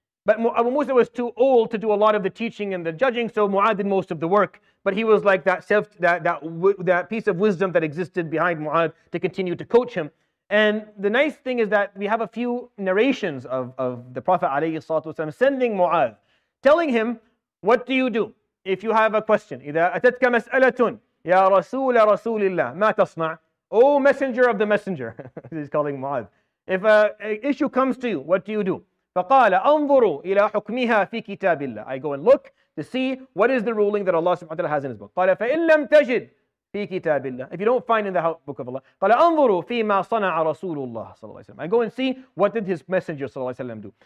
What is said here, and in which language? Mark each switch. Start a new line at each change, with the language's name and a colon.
English: But Abu Musa was too old to do a lot of the teaching and the judging, so Mu'adh did most of the work. But he was like that piece of wisdom that existed behind Mu'adh to continue to coach him. And the nice thing is that we have a few narrations of the Prophet alayhi salatu wasalam sending Mu'adh, telling him, what do you do if you have a question?
Arabic: إِذَا أَتَتْكَ مَسْأَلَةٌ يَا رَسُولَ رَسُولِ اللَّهِ مَا تَصْنَعْ
English: O messenger of the messenger, he's calling Mu'adh. If an issue comes to you, what do you do?
Arabic: فَقَالَ أَنظُرُوا إِلَىٰ حُكْمِهَا فِي كِتَابِ اللَّهِ
English: I go and look to see what is the ruling that Allah subhanahu wa ta'ala has in his book.
Arabic: قَالَ فَإِن لَمْ تَجِدْ في كتاب الله.
English: If you don't find in the book of Allah,
Arabic: قال أنظروا فيما صنع رسول الله صلى الله عليه وسلم.
English: I go and see what did his messenger
Arabic: صلى الله عليه وسلم
English: do.